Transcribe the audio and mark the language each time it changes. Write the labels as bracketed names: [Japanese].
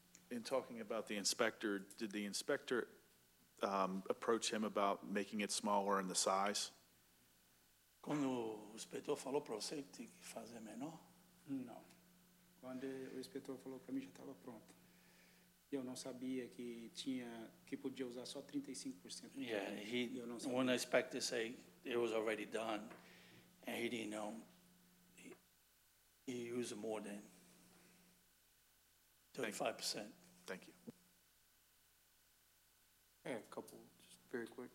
[English] In talking about the inspector, did the inspector approach him about making it smaller in the size? [Portuguese] Quando o inspetor falou para você que tinha que fazer menor? Não. Quando o inspetor falou para mim já estava pronto. Eu não sabia que tinha que podia usar só 35%. [English] Yeah, when the inspector said it was already done, and he didn't know, he used more than 35%. Thank you. I have a couple, just very quick.